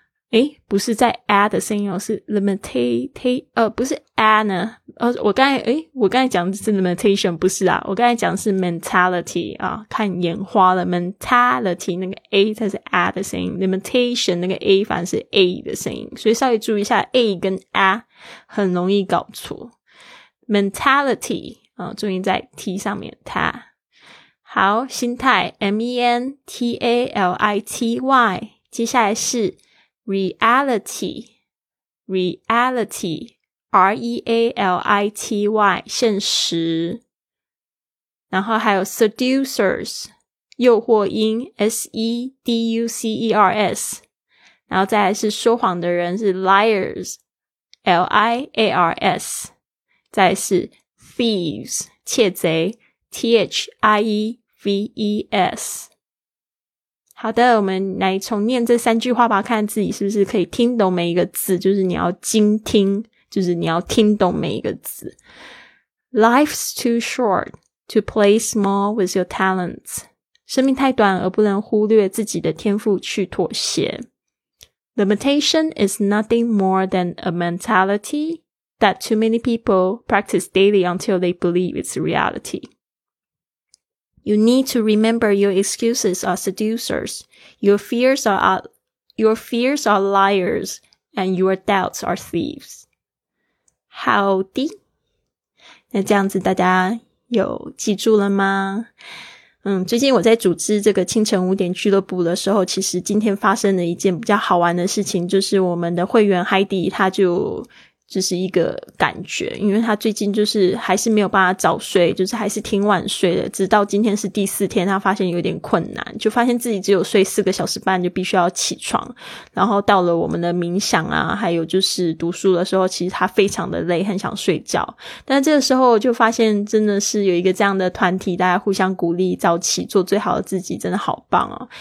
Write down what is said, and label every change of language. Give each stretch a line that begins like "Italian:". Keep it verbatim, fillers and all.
Chinese: 诶不是在 A 的声音哦，是 limitate 呃不是 A 呢呃、哦，我刚才诶我刚才讲的是 limitation 不是啊，我刚才讲的是 mentality 啊，看眼花了 mentality 那个 A 它是 A 的声音， limitation 那个 A 反而是 A 的声音，所以稍微注意一下 A 跟 A 很容易搞错 mentality 啊，注意在 T 上面它。好，心态 M E N T A L I T Y， 接下来是 reality reality R E A L I T Y 现实，然后还有 seducers 诱惑音 S E D U C E R S， 然后再来是说谎的人是 liars L I A R S， 再来是 thieves 窃贼 T H I E V E S。好的，我们来重念这三句话吧，看自己是不是可以听懂每一个字，就是你要精听，就是你要听懂每一个字。
English: Life's too short to play small with your talents，生命太短而不能忽略自己的天赋去妥协。 Limitation is nothing more than a mentality that too many people practice daily until they believe it's reality. You need to remember your excuses are seducers, your fears are, your fears are liars, and your doubts are thieves。
Chinese: 好的，那这样子大家有记住了吗？嗯，最近我在组织这个清晨五点俱乐部的时候，其实今天发生了一件比较好玩的事情，就是我们的会员海迪他就就是一个感觉，因为他最近就是还是没有办法早睡，就是还是挺晚睡的，直到今天是第四天，他发现有点困难，就发现自己只有睡四个小时半就必须要起床，然后到了我们的冥想啊还有就是读书的时候，其实他非常的累，很想睡觉，但这个时候就发现真的是有一个这样的团体，大家互相鼓励早起做最好的自己，真的好棒哦。